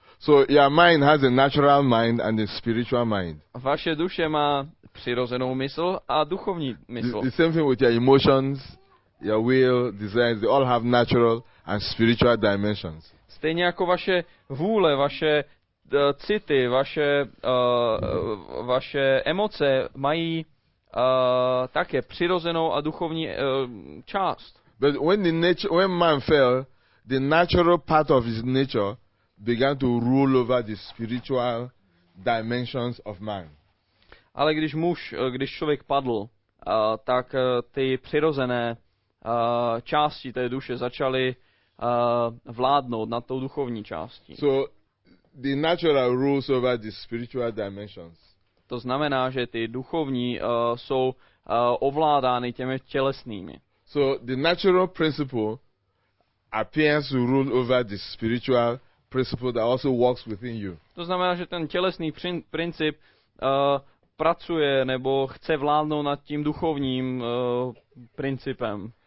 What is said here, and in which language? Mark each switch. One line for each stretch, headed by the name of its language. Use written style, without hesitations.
English: So your mind has a natural mind and a spiritual mind.
Czech: Vaše duše má přirozenou mysl a duchovní mysl.
English: The same thing with your emotions, your will, desires, they all have natural and spiritual dimensions.
Czech: Stejně jako vaše vůle, vaše city, vaše vaše emoce mají také přirozenou a duchovní část.
English: But when the nature, when man fell, the natural part of his nature began to rule over the spiritual dimensions of man.
Czech: Ale když muž, když člověk padl, tak ty přirozené části té duše začaly vládnout nad tou duchovní částí.
English: So the natural rules over the spiritual dimensions.
Czech: To znamená, že ty duchovní jsou ovládány těmi tělesnými.
English: So the natural principle appears to rule over the spiritual principle that also works within you.
Czech: To znamená, že ten tělesný princip pracuje nebo chce vládnout nad tím duchovním principem.